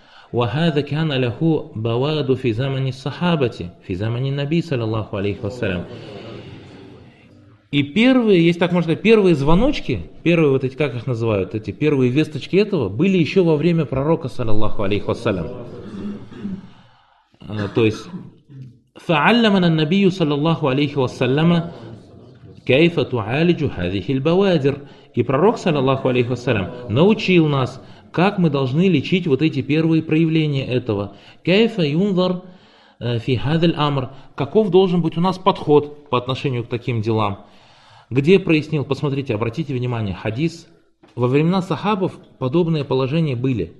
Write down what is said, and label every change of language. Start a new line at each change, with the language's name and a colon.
Arabic: وَهَذَا كَانَ لَهُ بَوَادُ فِي زَمَنِ الصَّحَابَةِ فِي زَمَنِ النَّبِي صَلَى اللَّهُ عَلَيْهِ وَسَلَّمَ.
Russian: И первые, если так можно сказать, первые звоночки, первые вот эти, как их называют, эти первые весточки этого, были еще во время пророка, саллаллаху алейхи вассалям. То есть,
Arabic: فَعَلَّمَنَ النَّبِيُّ саллаллаху алейхи вассаляма كَيْفَ تُعَالِجُ هَذِهِ الْبَوَادِرِ.
Russian: И пророк, саллаллаху алейхи вассалям, научил нас, как мы должны лечить вот эти первые проявления этого.
Arabic: كَيْفَ يُنْظَرْ فِي هَذِ الْأَمْرِ.
Russian: Каков должен быть у нас подход по отношению к таким делам. Где прояснил, посмотрите, обратите внимание, хадис. Во времена сахабов подобные положения были.